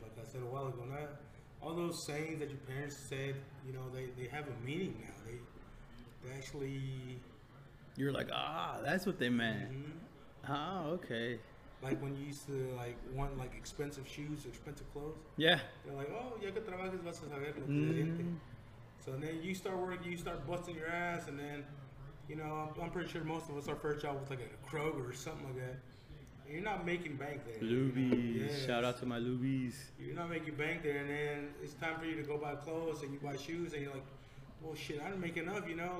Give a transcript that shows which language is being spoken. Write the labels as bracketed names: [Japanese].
[English] Like I said a while ago, not all those sayings that your parents said, you know, they have a meaning now. They actually... You're like, that's what they meant. Mm-hmm. Oh, okay. Like when you used to like want like expensive shoes, expensive clothes. Yeah. They're like, [Spanish] oh, ya que trabajas vas a saber lo que se siente. [English] So then you start working, you start busting your ass, and then, you know, I'm pretty sure most of us, our first job was like at a Kroger or something like that. And you're not making bank there. Lubies. Yes. Shout out to my Lubies. You're not making bank there, and then it's time for you to go buy clothes, and you buy shoes, and you're like, well, shit, I didn't make enough, you know?